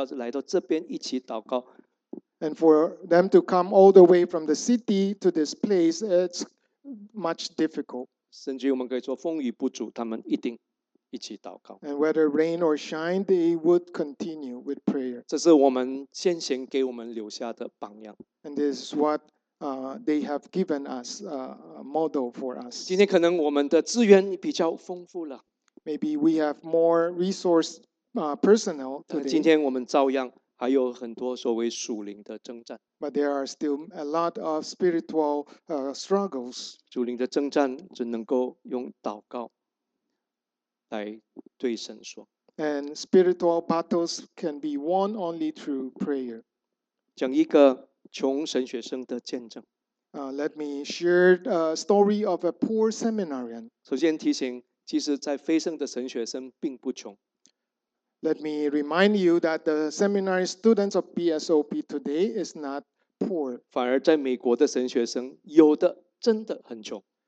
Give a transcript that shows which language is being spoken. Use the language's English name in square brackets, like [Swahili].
[Chinese] 但是你要想，当时要开车或者说要做什么样的公交，来到这边一起祷告。 [English] And for them to come all the way from the city to this place, it's much difficult. [Chinese] 甚至我们可以说风雨不阻，他们一定。 [English] And whether rain or shine, they would continue with prayer. [Chinese] 这是我们先贤给我们留下的榜样。 [English] And this is what they have given us a model for us. [Chinese] 今天可能我们的资源比较丰富了。 [English] Maybe we have more resource personnel today. [Chinese] 今天我们照样还有很多所谓属灵的征战。 [English] But there are still a lot of spiritual struggles. [Chinese] 属灵的征战只能够用祷告。来对神说， [English] and spiritual battles can be won only through prayer. [Chinese] 讲一个穷神学生的见证。 [English] Let me share a story of a poor seminarian. [Chinese] 首先提醒，其实在飞升的神学生并不穷。 [English] Let me remind you that the seminary students of PSOP today is not poor. [Chinese] 反而在美国的神学生有的真的很穷。